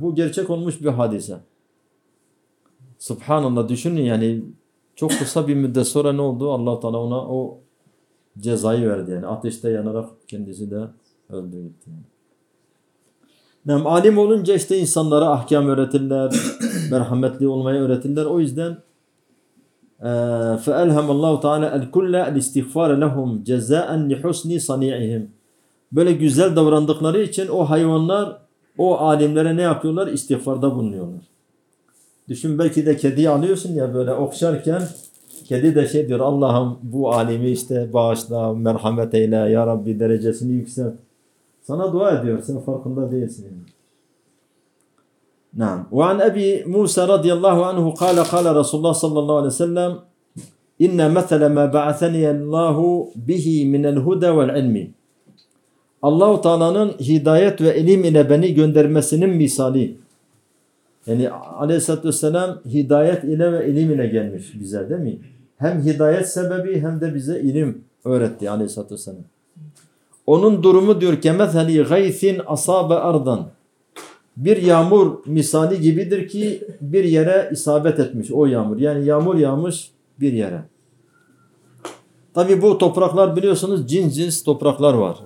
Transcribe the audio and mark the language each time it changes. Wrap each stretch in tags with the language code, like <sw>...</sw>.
<tr>Bu gerçek olmuş bir hadise. Subhanallah, düşünün yani çok kısa bir müddet sonra ne oldu? Allah Teala ona o cezayı verdi yani. Ateşte yanarak kendisi de öldü gitti. Yani alim olunca işte insanlara ahkam öğretirler, merhametli olmayı öğretirler. O yüzden</tr> <ar>فَأَلْهَمَ اللّٰهُ تَعَالَى الْكُلَّ الْاِسْتِغْفَارَ لَهُمْ جَزَاءً لِحُسْنِ صَنِعِهِمْ.</ar> <tr>Böyle güzel davrandıkları için o hayvanlar, o alimlere ne yapıyorlar? İstiğfarda bulunuyorlar. Düşün, belki de kediyi alıyorsun ya böyle okşarken, kedi de şey diyor, Allah'ım bu alimi işte bağışla, merhamet eyle, ya Rabbi derecesini yükselt. Sana dua ediyor, sen farkında değilsin.</tr> <ar>نعم وعن أبي موسى رضي الله عنه قال قال رسول الله صلى الله عليه وسلم إن مثل ما بعثني الله به من الهدى والعلم الله تعالى هدايت وإلم إلى بني</ar> <tr>göndermesinin misali yani aleyhissalatü vesselam hidayet ile ve ilim ile gelmiş bize değil mi? Hem hidayet sebebi hem de bize ilim öğretti aleyhissalatü vesselam. Onun durumu diyor ki</tr> <ar>مثل غيث أصاب أرضا.</ar> <tr>Bir yağmur misali gibidir ki bir yere isabet etmiş o yağmur. Yani yağmur yağmış bir yere. Tabii bu topraklar biliyorsunuz cins cins topraklar var.</tr>